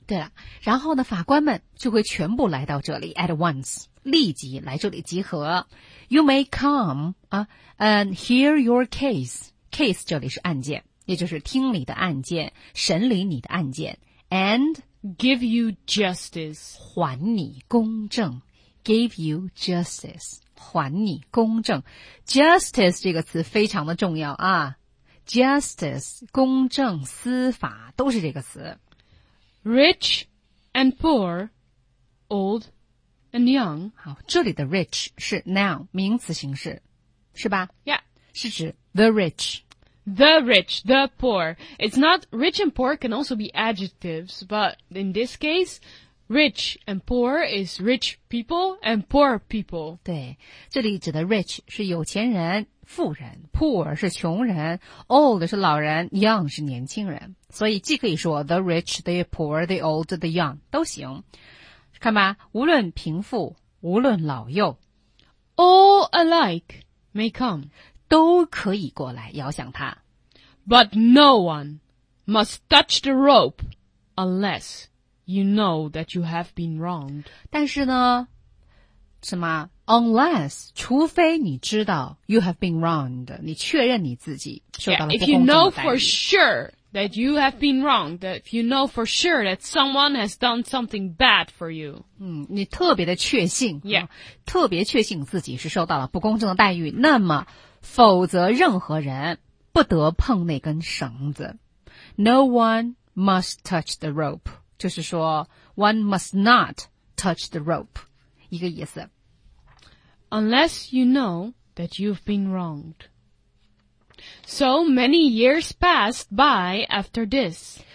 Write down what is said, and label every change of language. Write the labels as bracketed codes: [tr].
[zh] 对了，然后呢，法官们就会全部来到这里 [en] at once, [zh] 立即来这里集合。 [en] You may come, and hear your case. [zh] Case 这里是案件，也就是听你的案件，审理你的案件 and [en] give you justice. [zh] 还你公正。 [en] Give you justice. [zh] 还你公正。 Justice 这个词非常的重要啊。Justice, 公正、司法都是这个词。 [en] Rich and poor, old and young. [zh] 好，这里的 rich 是 noun, 名词形式，是吧 [en] ？Yeah, [zh] 是指 [en] the rich, the rich, the poor. It's not rich and poor can also be adjectives, but in this case, rich and poor is rich people and poor people. [zh] 对，这里指的 rich 是有钱人。富人 poor 是穷人 old 是老人 young 是年轻人所以既可以说 [en] the rich, the poor, the old, the young [zh] 都行看吧无论贫富无论老幼 [en] All alike may come [zh] 都可以过来遥想他 [en] But no one must touch the rope unless you know that you have been wronged [zh] 但是呢什么 ？Unless， 除非你知道 [en] you have been wronged， [zh] 你确认你自己受到了不公正的待遇。 [en] If you know for sure that you have been wronged， that if you know for sure that someone has done something bad for you， [zh] 你特别的确信 [en] ，Yeah， [zh] 特别确信自己是受到了不公正的待遇，那么否则任何人不得碰那根绳子。 [en] No one must touch the rope， [zh] 就是说 [en] one must not touch the rope [zh] 一个意思 [en] unless you know that you've been wronged. So many years passed by after this.